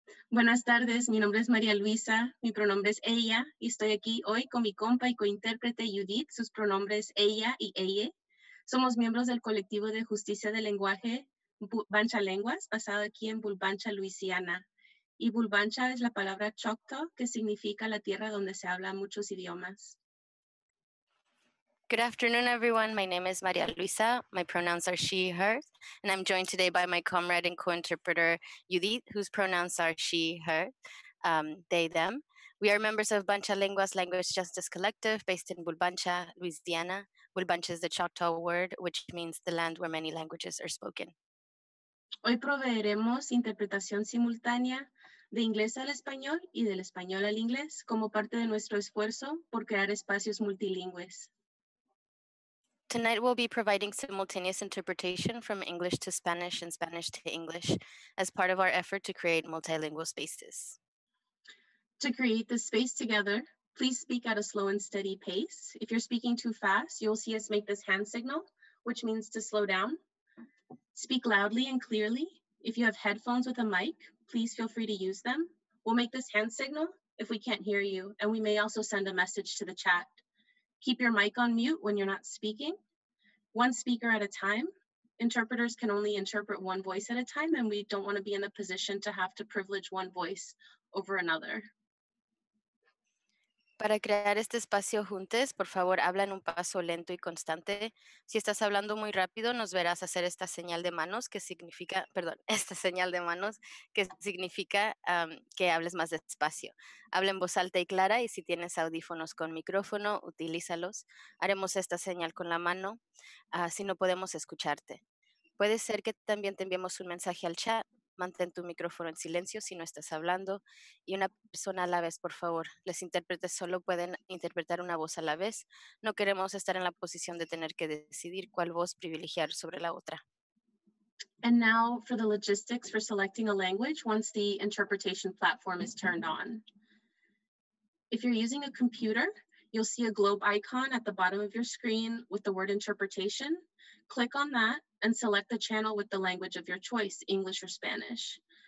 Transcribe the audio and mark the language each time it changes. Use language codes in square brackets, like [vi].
[es] Buenas tardes, mi nombre es María Luisa, mi pronombre es ella, y estoy aquí hoy con mi compa y cointérprete Judith, sus pronombres ella y ella. Somos miembros del colectivo de justicia de lenguaje Bulbancha Lenguas, basado aquí en Bulbancha, Luisiana. Y Bulbancha es la palabra Choctaw, que significa la tierra donde se habla muchos idiomas. [en] Good afternoon, everyone. My name is María Luisa. My pronouns are she, her, and I'm joined today by my comrade and co-interpreter, Judith, whose pronouns are she, her, they, them. We are members of Bulbancha Lenguas Language Justice Collective based in Bulbancha, Louisiana. Bulbancha is the Choctaw word, which means the land where many languages are spoken. [es] Hoy proveeremos interpretación simultánea de inglés al español y del español al inglés como parte de nuestro esfuerzo por crear espacios multilingües. [en] Tonight, we'll be providing simultaneous interpretation from English to Spanish and Spanish to English as part of our effort to create multilingual spaces. To create the space together, please speak at a slow and steady pace. If you're speaking too fast, you'll see us make this hand signal, which means to slow down. Speak loudly and clearly. If you have headphones with a mic, please feel free to use them. We'll make this hand signal if we can't hear you, and we may also send a message to the chat. Keep your mic on mute when you're not speaking. One speaker at a time. Interpreters can only interpret one voice at a time, and we don't want to be in the position to have to privilege one voice over another. [es] Para crear este espacio juntos, por favor, habla en un paso lento y constante. Si estás hablando muy rápido, nos verás hacer esta señal de manos que significa, perdón, esta señal de manos que significa que hables más despacio. Habla en voz alta y clara y si tienes audífonos con micrófono, utilízalos. Haremos esta señal con la mano, si no podemos escucharte. Puede ser que también te enviemos un mensaje al chat. Mantén tu micrófono en silencio si no estás hablando y una persona a la vez, por favor. Los intérpretes solo pueden interpretar una voz a la vez. No queremos estar en la posición de tener que decidir cuál voz privilegiar sobre la otra. [en] And now for the logistics for selecting a language once the interpretation platform is turned on. If you're using a computer, you'll see a globe icon at the bottom of your screen with the word interpretation. Click on that and select the channel with the language of your choice, English or Spanish.